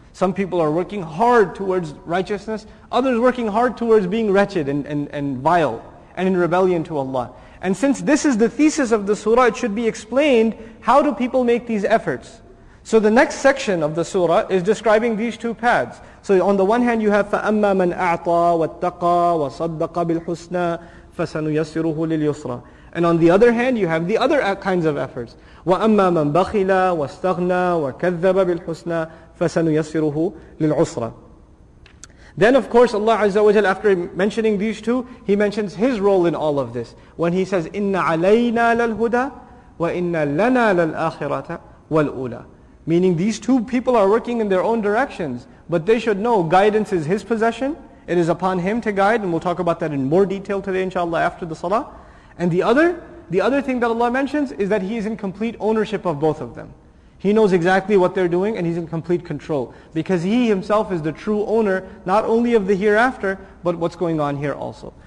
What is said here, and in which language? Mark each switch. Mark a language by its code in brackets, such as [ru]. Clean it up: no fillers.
[en] Some people are working hard towards righteousness, others working hard towards being wretched and vile and in rebellion to Allah. And since this is the thesis of the surah, it should be explained, how do people make these efforts? So the next section of the surah is describing these two paths. So on the one hand you have, [ar] فَأَمَّا مَنْ أَعْطَى وَاتَّقَى وَصَدَّقَ بِالْحُسْنَى فَسَنُيَسِّرُهُ لِلْيُسْرَى. [en] And on the other hand, you have the other kinds of efforts. [ar] وَأَمَّا مَنْ بَخِلَى وَاسْتَغْنَى وَكَذَّبَ بِالْحُسْنَى فَسَنُيَسِّرُهُ لِلْعُسْرَى. [en] Then of course Allah Azza wa Jal, after mentioning these two, He mentions His role in all of this. When He says, [ar] إِنَّ عَلَيْنَا لَلْهُدَى وَإِنَّ لَنَا لَلْآخِرَةَ وَالْأُولَى. [en] Meaning these two people are working in their own directions, but they should know guidance is His possession, it is upon Him to guide, and we'll talk about that in more detail today inshaAllah after the salah. And the other thing that Allah mentions is that He is in complete ownership of both of them. He knows exactly what they're doing and He's in complete control. Because He Himself is the true owner, not only of the hereafter, but what's going on here also.